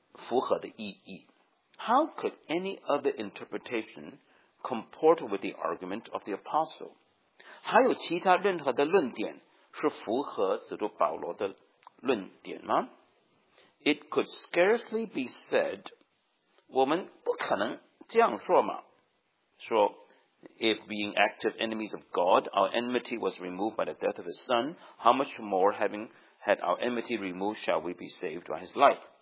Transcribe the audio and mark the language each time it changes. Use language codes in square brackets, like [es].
[zh] 我们仍然需要坚持符合的意义。How [en] could any other interpretation comport with the argument of the apostle? [zh] 还有其他任何的论点是符合使徒保罗的论点吗？ [en] It could scarcely be said, [zh] 我们不可能这样说嘛，说 [en] If being active enemies of God, our enmity was removed by the death of His Son, how much more, having had our enmity removed, shall we be saved by His life?